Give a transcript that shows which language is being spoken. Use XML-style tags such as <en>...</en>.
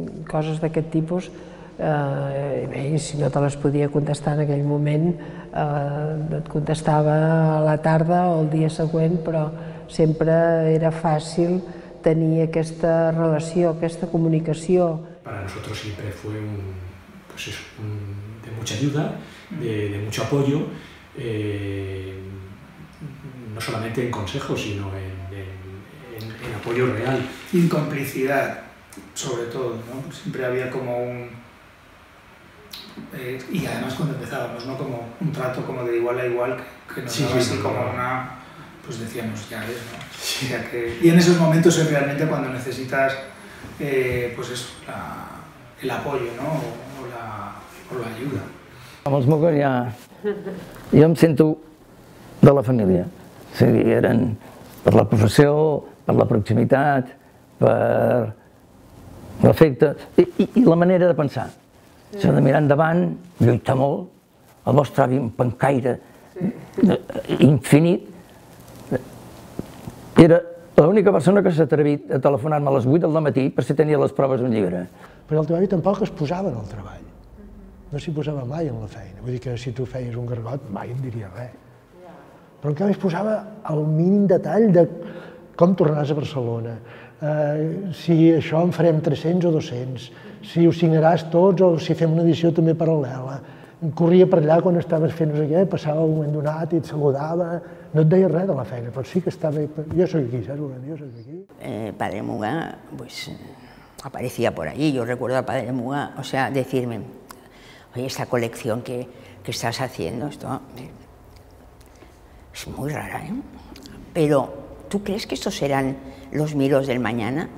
<ca>coses d'aquest tipus, bé, si no te les podia contestar en aquell moment, et contestava a la tarda o el dia següent, però sempre era fàcil tenir aquesta relació, aquesta comunicació.</ca> <es>Para nosotros siempre fue un de mucha ayuda, de mucho apoyo, no solamente en consejos, sino en apoyo real. Y en complicidad, sobre todo, ¿no? Siempre había como un... y además cuando empezábamos, ¿no? Como un trato como de igual a igual, que nos daba así como una... pues decíamos, ya ves, ¿no? Sí. Y en esos momentos es realmente cuando necesitas, pues eso, el apoyo, ¿no? O la ayuda.</es> <ca>Amb els Muga ja... jo em sento de la família. O sigui, eren per la professió, per la proximitat, per l'efecte i la manera de pensar. Sí. S'ha de mirar endavant, lluitar molt, el vostre avi un pencaire infinit. Era l'única persona que s'ha atrevit a telefonar-me a les 8 del matí per si tenia les proves d'un llibre. Però el teu avi tampoc es posava en el treball. No s'hi posava mai en la feina. Vull dir que si tu feies un gargot mai em diria res. Però encara es posava el mínim detall de com tornaràs a Barcelona, si això en farem 300 o 200, si ho signaràs tots o si fem una edició també paral·lela. Corria per allà quan estaves fent-ho aquí, passava un moment donat i et saludava. No et deia res de la feina, però sí que estava... Jo soc aquí, saps? Jo soc aquí.</ca> <es>Padre Muga, pues, aparecía por allí. Yo recuerdo a Padre Muga, o sea, decirme, oye, esta colección que estás haciendo, esto... es muy rara, ¿eh? Pero, ¿tú crees que estos serán los Miros del mañana?</es>